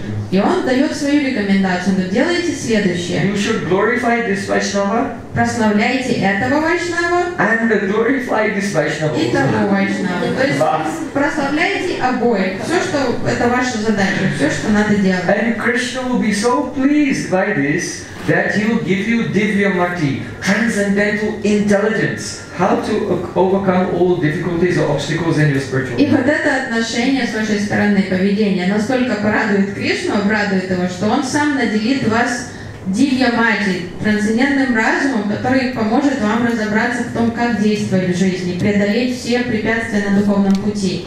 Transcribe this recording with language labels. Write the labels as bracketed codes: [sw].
[ru] И он дает свою рекомендацию. Он говорит, делайте следующее. [en] You should glorify this Vaishnava. [ru] Прославляйте этого Вайшнава. [en] And glorify this Vaishnava. [ru] И того Вайшнава. То есть прославляйте обоих. Все, что это ваша задача, все, что надо делать. [en] And Krishna will be so pleased by this. That he will give you Divya Mati, transcendental intelligence, how to overcome all difficulties or obstacles in your spiritual life. [ru] И вот это отношение с вашей стороны, поведение, настолько порадует Кришну, обрадует его, что он сам наделит вас Дивья Мати, трансцендентным разумом, который поможет вам разобраться в том, как действовать в жизни, преодолеть все препятствия на духовном пути.